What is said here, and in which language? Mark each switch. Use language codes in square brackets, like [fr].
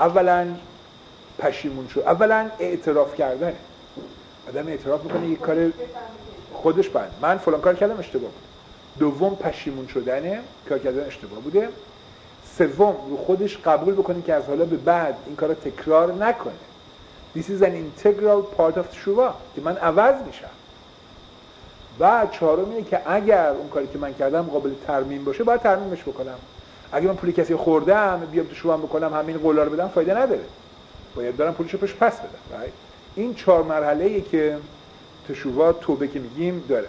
[fa] اولا پشیمون شد، اولا اعتراف کردنه، آدم اعتراف میکنه یک کار خودش بند، من فلان کار کردم اشتباه بود. دوم پشیمون شدنه، کار کردن اشتباه بوده. سوم رو خودش قبول بکنه که از حالا به بعد این کار تکرار نکنه. [en] This is an integral part of تشوبا، [fa] که من عوض میشم. بعد چهارم اینه که اگر اون کاری که من کردم قابل ترمیم باشه، باید ترمیمش بکنم. اگه من پول کسی خوردم بیام تشوبم بکنم همین قولا رو بدم، فایده نداره، باید دارم پولشو پشت پس بدم. این چهار مرحله ایه که تشوبا، توبه که میگیم داره.